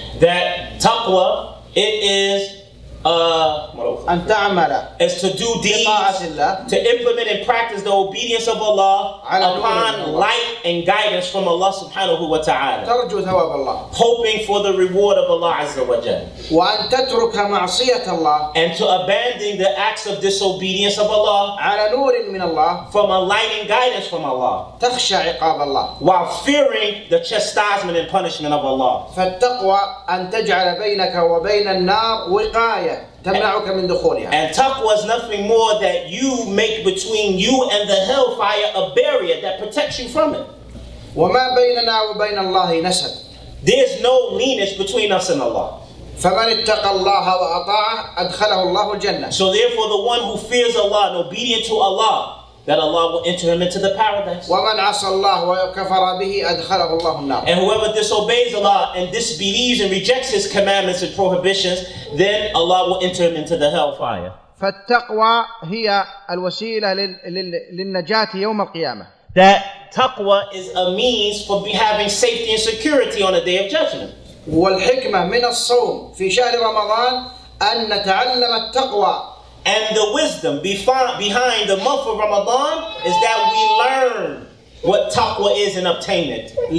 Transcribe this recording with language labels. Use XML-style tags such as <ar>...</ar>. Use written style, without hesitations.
<en>That taqwa, it is</en> <ar>أن تعمل</ar> <en>is to do deeds, to implement and practice the obedience of Allah upon light and guidance from Allah subhanahu wa ta'ala.</en> <ar>ترجو ثواب الله.</ar> <en>Hoping for the reward of Allah azza wa jal.</en> <ar>وأن تترك معصية الله.</ar> <en>And to abandon the acts of disobedience of Allah</en> <ar>على نور من الله.</ar> <en>From a light and guidance from Allah.</en> <ar>تخشى عقاب الله.</ar> <en>While fearing the chastisement and punishment of Allah.</en> <ar>فالتقوى أن تجعل بينك وبين النار وقاية.</ar> <en>And taqwa is nothing more that you make between you and the hellfire a barrier that protects you from it.</en> <ar>وما بيننا وبين الله نسب.</ar> <en>There's no leanage between us and Allah.</en> <ar>فمن اتقى الله وأطاعه أدخله الله الجنة.</ar> <en>So therefore the one who fears Allah and obedient to Allah, that Allah will enter him into the paradise.</en> <ar>ومن عصى الله وكفر به أدخله الله النار.</ar> <en>And whoever disobeys Allah and disbelieves and rejects his commandments and prohibitions, then Allah will enter him into the hellfire.</en> <ar>فالتقوى هي الوسيلة للنجاة يوم القيامة.</ar> <en>That taqwa is a means for having safety and security on the day of judgment.</en> <ar>والحكمة من الصوم في شهر رمضان أن نتعلم التقوى.</ar> <en>And the wisdom behind the month of Ramadan is that we learn what taqwa is and obtain it.</en>